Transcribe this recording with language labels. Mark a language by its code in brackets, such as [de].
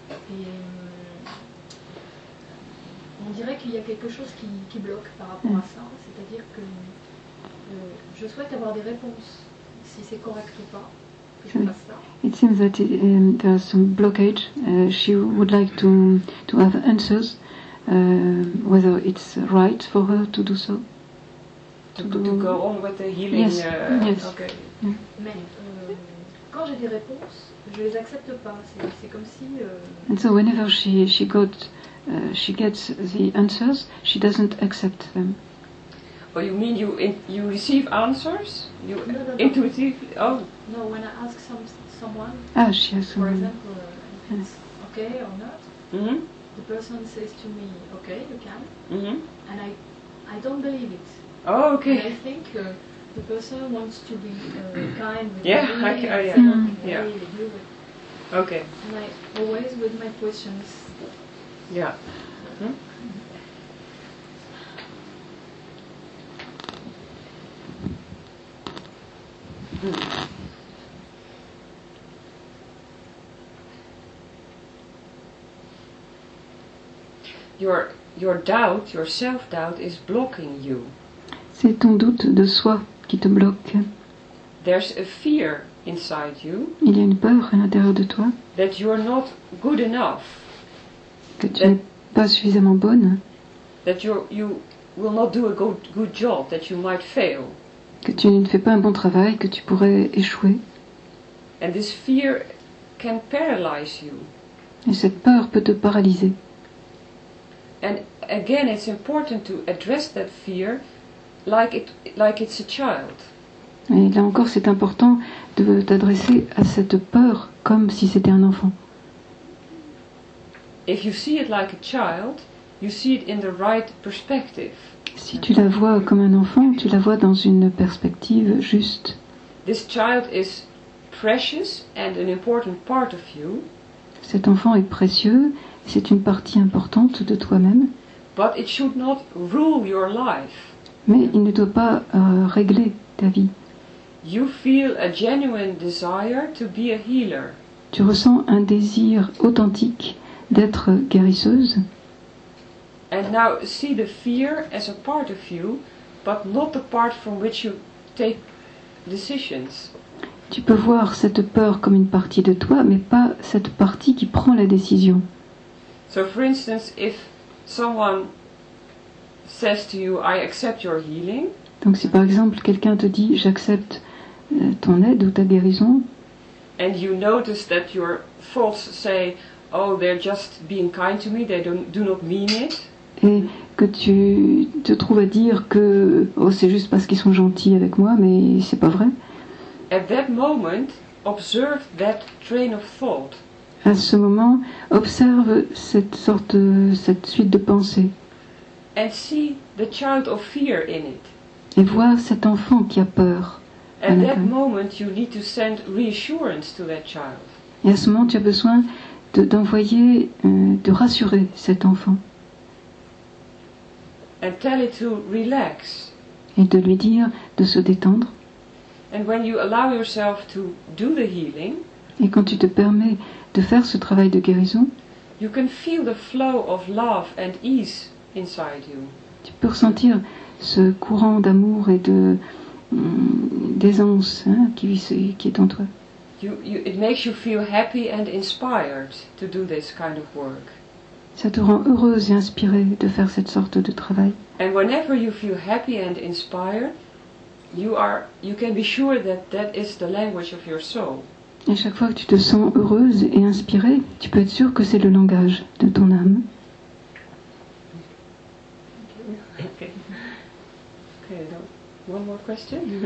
[fr] Et on dirait qu'il y a quelque chose qui bloque par rapport à ça. C'est-à-dire que je souhaite avoir des réponses si c'est correct ou pas. [en] It seems that there is some blockage. She would like to have answers, whether it's right for her to do so. To go on with the healing. Yes. Yes. Okay. [fr] Mais quand j'ai des réponses, je les accepte pas. C'est comme si. [en] And so whenever she gets the answers, she doesn't accept them. Oh, you mean you receive answers? You intuitively? Oh. No, when I ask someone. Ah, she has someone. For example, if it's okay or not. Mm-hmm. The person says to me, "Okay, you can." Mm-hmm. And I don't believe it. Oh, okay. And I think the person wants to be kind with me. Yeah, Okay. And I always with my questions. Yeah. Mm-hmm. Your doubt, your self-doubt is blocking you. [fr] C'est ton doute de soi qui te bloque. [en] There's a fear inside you. [fr] Il y a une peur à l'intérieur de toi. [en] That you're not good enough. [fr] Que tu n'es pas suffisamment bonne. [en] That you will not do a good job, that you might fail. [fr] Que tu ne fais pas un bon travail, que tu pourrais échouer. [en] And this fear can paralyze you. [fr] Et cette peur peut te paralyser. [en] And again, it's important to address that fear like it's a child. [fr] Et là encore, c'est important de t'adresser à cette peur comme si c'était un enfant. [en] If you see it like a child, you see it in the right perspective. [fr] Si tu la vois comme un enfant, tu la vois dans une perspective juste. [en] This child is precious and an important part of you. [fr] Cet enfant est précieux. C'est une partie importante de toi-même. [en] But it should not rule your life. [fr] Mais il ne doit pas régler ta vie. [en] You feel a genuine desire to be a healer. [fr] Tu ressens un désir authentique d'être guérisseuse. [en] And now see the fear as a part of you, but not the part from which you take decisions. [fr] Tu peux voir cette peur comme une partie de toi, mais pas cette partie qui prend la décision. [en] So for instance, if someone says to you, I accept your healing. [fr] Donc si par exemple quelqu'un te dit, j'accepte ton aide ou ta guérison. [en] And you notice that your thoughts say, oh, they're just being kind to me, they do not mean it. [fr] Et que tu te trouves à dire que, oh, c'est juste parce qu'ils sont gentils avec moi, mais c'est pas vrai. [en] At that moment, observe that train of thought. [fr] À ce moment, observe cette suite de pensées. [en] And see the child of fear in it. [fr] Et vois cet enfant qui a peur. [en] At that moment, you need to send reassurance to that child. [fr] Et à ce moment, tu as besoin de rassurer cet enfant. [en] And tell it to relax. [fr] Et de lui dire de se détendre. [en] And when you allow yourself to do the healing. [fr] Et quand tu te permets de faire ce travail de guérison, [en] you can feel the flow of love and ease inside you. [fr] Tu peux ressentir ce courant d'amour et d'aisance qui est en toi. [en] It makes you feel happy and inspired to do this kind of work. [fr] Ça te rend heureuse et inspirée de faire cette sorte de travail. [en] And whenever you feel happy and inspired, you can be sure that is the language of your soul. [fr] Et chaque fois que tu te sens heureuse et inspirée, tu peux être sûre que c'est le langage de ton âme. [en] Okay. Okay, one more question.